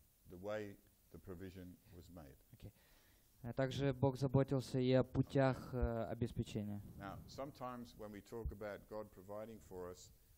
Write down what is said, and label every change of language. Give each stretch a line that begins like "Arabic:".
English: The way the provision was made. Okay.
Russian: Также Бог заботился и о путях обеспечения.
English: Now, sometimes when we talk about God providing for us,